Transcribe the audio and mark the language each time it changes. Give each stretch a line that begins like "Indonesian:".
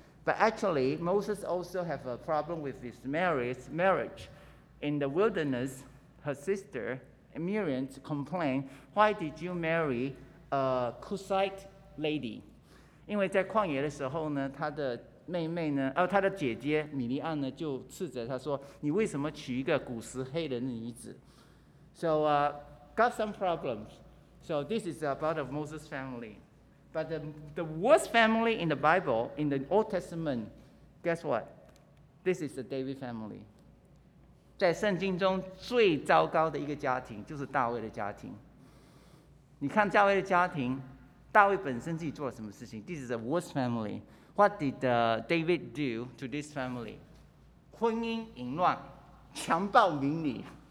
English: But actually, Moses also have a problem with his marriage. In the wilderness, her sister, Miriam, complained, why did you marry a Cushite lady?
Chinese: 因为在旷野的时候呢，她的妹妹呢，她的姐姐米利安呢，就斥责她说，你为什么娶一个古实黑人的女子？
English: So, got some problems. So, this is about of Moses' family. But the worst family in the Bible, in the Old Testament, guess what? This is the David family.
Chinese: 在圣经中最糟糕的一个家庭就是大卫的家庭。你看大卫的家庭，大卫本身自己做了什么事情？
English: This is the worst family. What did David do to this family?
Chinese: 婚姻淫乱，强暴民女。